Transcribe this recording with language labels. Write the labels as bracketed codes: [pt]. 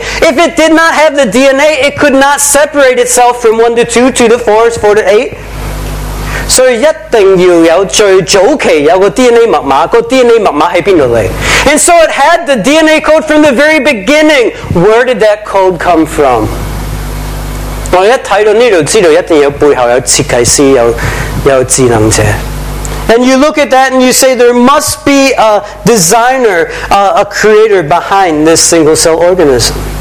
[en] If it did not have the DNA, it could not separate itself from 1 to 2, 2 to 4, 4 to 8. [yue] 所以一定要有最早期有个 DNA 密码，个 DNA 密码喺边度嚟 [en] ？And so it had the DNA code from the very beginning. Where did that code come from? [yue] 我一睇到呢度，知道一定有背后有设计师，有智能者。 [en] And you look at that and you say there must be a designer, a creator behind this single cell organism.